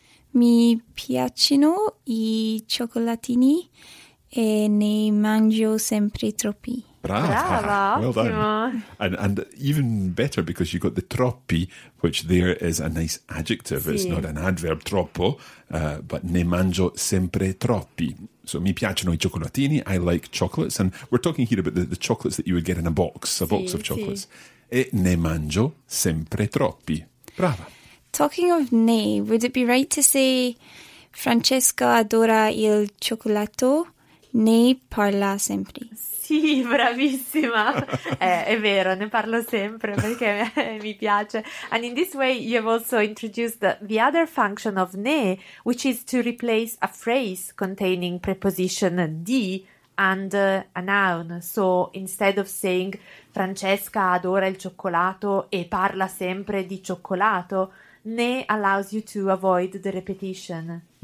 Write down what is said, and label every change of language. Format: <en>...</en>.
<it>Mi piacciono I cioccolatini e ne mangio sempre troppi. Brava,</it> <en>well</en> <it>ottimo.</it> <en>Done. And even better because you got the troppi, which there is a nice adjective.</en> <it>Sì.</it> <en>It's not an adverb, troppo, but</en> <it>ne mangio sempre troppi.</it> <en>So</en> <it>mi piacciono I cioccolatini,</it> <en>I like chocolates. And we're talking here about the chocolates that you would get in a box of chocolates.</en> <it>Sì. E ne mangio sempre troppi. Brava.</it> <en>Talking of ne, would it be right to say</en> <it>Francesca adora il cioccolato, ne parla sempre? Sì, bravissima. È vero, ne parlo sempre perché mi piace.</it> <en>And in this way you have also introduced the other function of ne, which is to replace a phrase containing preposition di and a noun. So instead of saying</en> <it>Francesca adora il cioccolato e parla sempre di cioccolato,</it> <en>ne allows you to avoid the repetition.</en>